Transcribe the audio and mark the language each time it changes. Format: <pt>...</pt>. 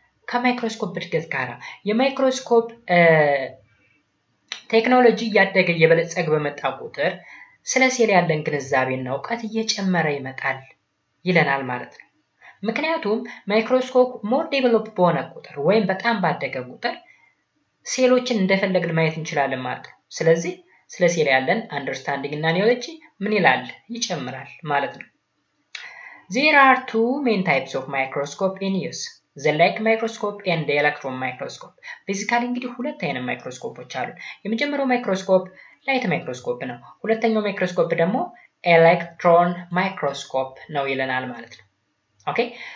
<am>ከማይክሮስኮፕ እድገት ጋር። የማይክሮስኮፕ ቴክኖሎጂ እያደገ የበለጸገ በመጣ ቁጥር ስለ ሴል ያለን ግንዛቤና ዕውቀት እየጨመረ ይመጣል ይለናል ማለት ነው። ምክንያቱም ማይክሮስኮፕ ሞር ዴቨሎፕ በሆነ ቁጥር ወይም በጣም ባደገ ቁጥር ሴሎችን እንደፈለግን ማየት እንችላለን ማለት ነው። ስለዚህ ስለ ሴል ያለን አንደርስታንዲንግ እና ኒዮሎጂ ምን ይላል? ይጨምራል ማለት ነው።</am> <en>There are two main types of microscope in use. The light microscope and the electron microscope.</en> <am>Basically እንግዲህ ሁለት አይነት ማይክሮስኮፖች አሉ። የመጀመሪያው ማይክሮስኮፕ ላይት ማይክሮስኮፕ ነው። ሁለተኛው ማይክሮስኮፕ ደግሞ electron microscope ነው ይለናል ማለት ነው። Okay?</am>